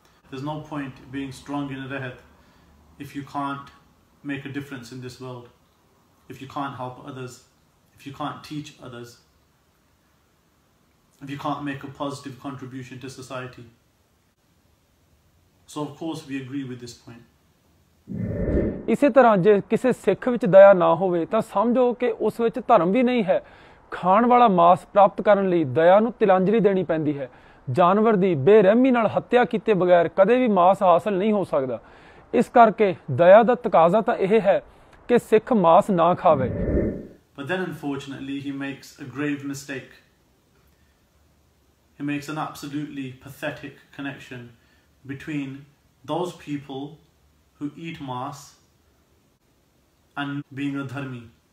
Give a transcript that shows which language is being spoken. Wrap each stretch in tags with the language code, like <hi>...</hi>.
<en>There's no point being strong in rehat if you can't make a difference in this world, if you can't help others, if you can't teach others. If you can't make a positive contribution to society. So of course we agree with this point.</en> <pa>ਇਸੇ ਤਰ੍ਹਾਂ ਜੇ ਕਿਸੇ ਸਿੱਖ ਵਿੱਚ ਦਇਆ ਨਾ ਹੋਵੇ ਤਾਂ ਸਮਝੋ ਕਿ ਉਸ ਵਿੱਚ ਧਰਮ ਵੀ ਨਹੀਂ ਹੈ ਖਾਣ ਵਾਲਾ ਮਾਸ ਪ੍ਰਾਪਤ ਕਰਨ ਲਈ ਦਇਆ ਨੂੰ ਤਿਲਾਂਜਲੀ ਦੇਣੀ ਪੈਂਦੀ ਹੈ ਜਾਨਵਰ ਦੀ ਬੇਰਹਿਮੀ ਨਾਲ ਹੱਤਿਆ ਕੀਤੇ ਬਗੈਰ ਕਦੇ ਵੀ ਮਾਸ ਹਾਸਲ ਨਹੀਂ ਹੋ ਸਕਦਾ ਇਸ ਕਰਕੇ ਦਇਆ ਦਾ ਤਕਾਜ਼ਾ ਤਾਂ ਇਹ ਹੈ ਕਿ ਸਿੱਖ ਮਾਸ ਨਾ ਖਾਵੇ</pa> <en>But then unfortunately he makes a grave mistake. He makes an absolutely pathetic connection between those people who eat mass and being a dharmi.</en>